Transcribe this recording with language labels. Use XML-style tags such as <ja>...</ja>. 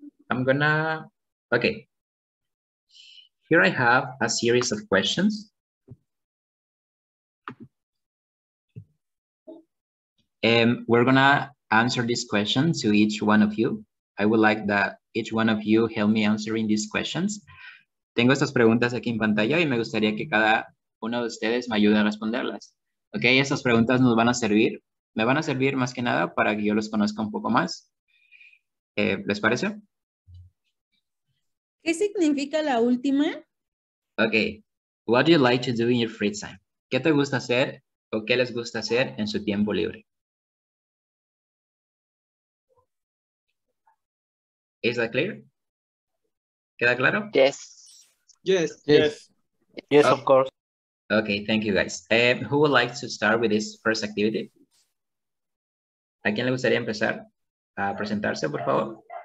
<en>I'm gonna, okay. Here I have a series of questions. We're gonna answer this question to each one of you. I would like that each one of you help me answering these questions.</en> <es>tengo estas preguntas aquí en pantalla y me gustaría que cada uno de ustedes me ayude a responderlas. Ok, estas preguntas nos van a servir, me van a servir más que nada para que yo los conozca un poco más. ¿Les parece? ¿Qué significa la última?</es> <en>Ok, what do you like to do in your free time?</en> <es>¿Qué te gusta hacer o qué les gusta hacer en su tiempo libre?</es> <en>Is that clear?</en> <es>¿Queda claro?</es> <en>Yes. Yes. Yes. Yes, okay. Of course. Okay, thank you guys. Who would like to start with this first activity?</en> <es>¿A quién le gustaría empezar a presentarse, por favor?</es>